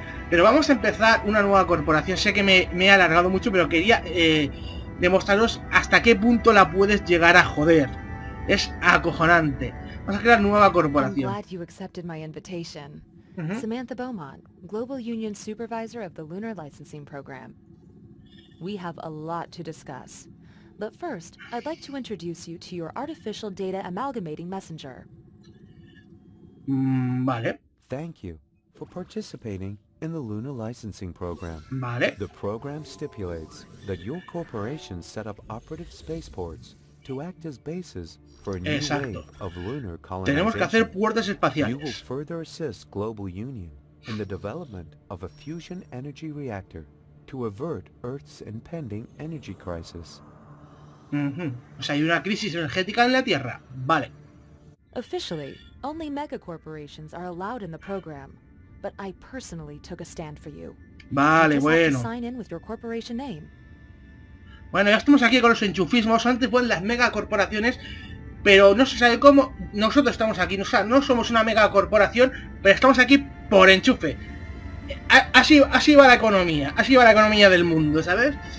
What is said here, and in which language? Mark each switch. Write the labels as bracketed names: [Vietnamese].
[Spanish] Pero vamos a empezar una nueva corporación. Sé que me he alargado mucho, pero quería demostraros hasta qué punto la puedes llegar a joder. Es acojonante. Vamos a crear nueva corporación. Estoy feliz que aceptaste mi invitación. [English] Samantha Beaumont, Global Union Supervisor of the Lunar Licensing Program. [Spanish] Tenemos mucho que discutir. [English] But first, I'd like to introduce you to your artificial data amalgamating messenger. [Spanish] Vale. [English] Thank you for participating in the Luna licensing program. [Spanish] Vale. [English] The program stipulates that your corporation set up operative spaceports to act as bases for a new wave of lunar colonization. [Spanish] Tenemos que hacer puertas espaciales. [English] You will further assist Global Union in the development of a fusion energy reactor to avert Earth's impending energy crisis. [Spanish] O sea, hay una crisis energética en la Tierra. Vale. [English] Officially, only mega corporations are allowed in the program, but I personally took a stand for you. [Spanish] Vale, bueno. [English] Sign in with your corporation name. [Spanish] Bueno, ya estamos aquí con los enchufismos. Antes, pues, las mega corporaciones pero no se sabe cómo, nosotros estamos aquí, o sea, no somos una mega corporación, pero estamos aquí por enchufe. Así, así va la economía, así va la economía del mundo, ¿sabes?